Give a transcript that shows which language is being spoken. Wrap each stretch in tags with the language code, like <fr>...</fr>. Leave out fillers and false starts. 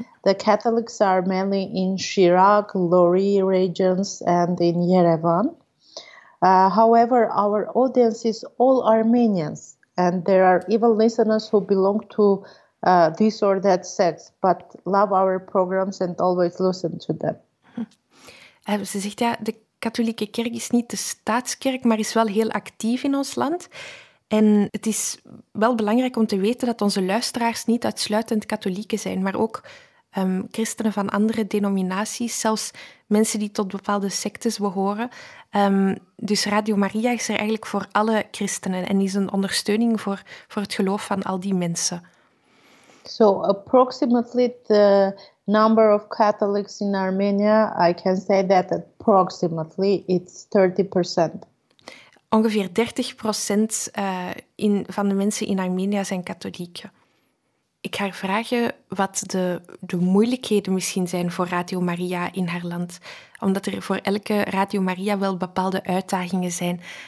<en>The Catholics are mainly in Shirak, Lori regions, and in Yerevan. However, our audience is all Armenians, and there are even listeners who belong to this or that sect, but love our programs and always listen to them.</en> <nl>Ze zegt ja, de katholieke kerk is niet de staatskerk, maar is wel heel actief in ons land. En het is wel belangrijk om te weten dat onze luisteraars niet uitsluitend katholieken zijn, maar ook christenen van andere denominaties, zelfs mensen die tot bepaalde sectes behoren. Dus Radio Maria is er eigenlijk voor alle christenen en is een ondersteuning voor het geloof van al die mensen.</nl> <en>So approximately the number of Catholics in Armenia, I can say that approximately it's 30%.</en> <nl>Ongeveer 30% van de mensen in Armenië zijn katholieken. Ik ga haar vragen wat de moeilijkheden misschien zijn voor Radio Maria in haar land. Omdat er voor elke Radio Maria wel bepaalde uitdagingen zijn.</nl>